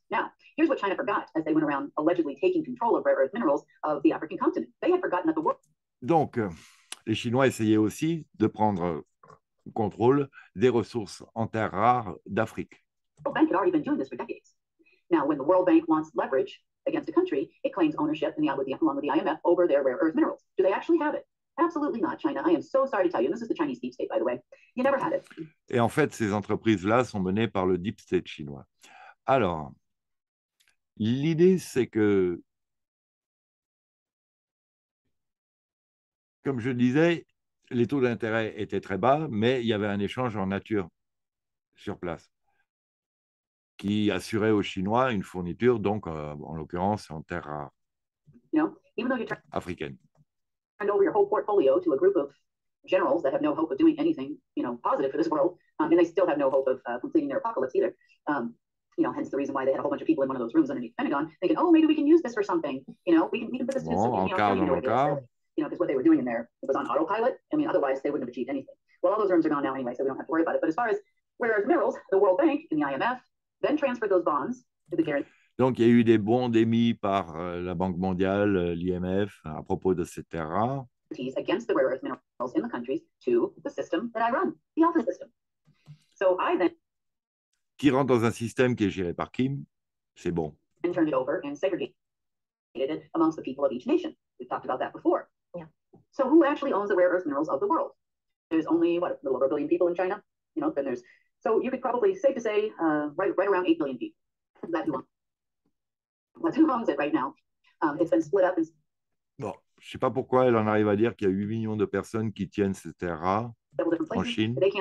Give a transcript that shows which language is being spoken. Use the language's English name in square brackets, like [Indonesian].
[English] Now, here's what China forgot as they went around allegedly taking control of rare earth minerals of the African continent. They had forgotten that the world... [French] Donc, les Chinois essayaient aussi de prendre contrôle des ressources en terres rares d'Afrique. [English] The World Bank had already been doing this for decades. Now, when the World Bank wants leverage against a country, it claims ownership along with the IMF over their rare earth minerals. Do they actually have it? Absolutely not, China. I am so sorry to tell you. This is the Chinese deep state, by the way. You never had it. [French] Et en fait, ces entreprises-là sont menées par le deep state chinois. Alors, l'idée, c'est que, comme je disais, les taux d'intérêt étaient très bas, mais il y avait un échange en nature sur place qui assurait aux Chinois une fourniture, donc en l'occurrence, en terre rare africaine. [English] Over your whole portfolio to a group of generals that have no hope of doing anything, you know, positive for this world, and they still have no hope of completing their apocalypse either. You know, hence the reason why they had a whole bunch of people in one of those rooms underneath the Pentagon, thinking, oh, maybe we can use this for something. You know, we can put this [French] bon, [English] in something. You know, because what they were doing in there was on autopilot. I mean, otherwise they wouldn't have achieved anything. Well, all those rooms are gone now anyway, so we don't have to worry about it. But as far as rare earth minerals, the World Bank and the IMF then transferred those bonds to the guarantee. [French] Donc, il y a eu des bons émis par la Banque mondiale, l'IMF, à propos de ces terres rares. [English] Against the rare earth minerals in the countries to the system that I run, the office system. So I then. [French] Qui rentre dans un système qui est géré par Kim, c'est bon. [English] And turned it over and segregated it amongst the people of each nation. We've talked about that before. Yeah. So who actually owns the rare earth minerals of the world? There's only, what, a little over a billion people in China? You know, then there's. So you could probably safe to say right around 8 billion people. That you want. [French] Bon, je ne sais pas pourquoi elle en arrive à dire qu'il y a 8 millions de personnes qui tiennent ces terres rares en Chine.